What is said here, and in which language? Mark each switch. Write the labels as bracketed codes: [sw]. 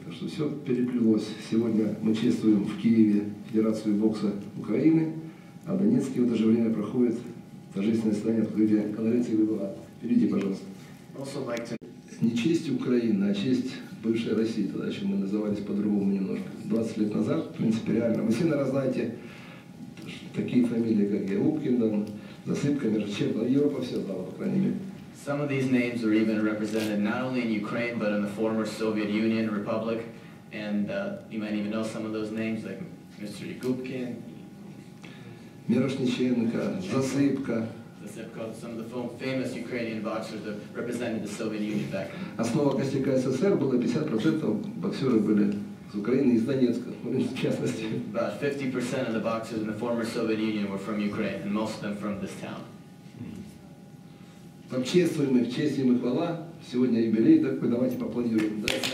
[ru] Так что все переплелось. Сегодня мы чествуем в Киеве Федерацию бокса Украины, а в Донецке в это же время проходит торжественное состояние открытия конференции ВБА. Перейдите, пожалуйста. Не честь Украины, а честь бывшей России, тогда еще мы назывались по-другому немножко. 20 лет назад, в принципе, реально. Вы все, наверное, знаете такие фамилии, как Яубкин, там, Засыпка, Мерчепа, Европа все знала, по крайней мере. [en] Some of these names are even represented not only in Ukraine, but in the former Soviet Union Republic. And you might even know some of those names, like Mr. [ru] Яубкин. Мирошниченко, Засыпка. Основа костяка СССР было 50% боксеров были с Украины и из Донецка, в частности. [en] About 50% of the boxers in the former Soviet Union were from Ukraine, and most of them from this town. [ru] Так чествуем их, честь им и хвала. Сегодня юбилей такой, давайте поаплодируем.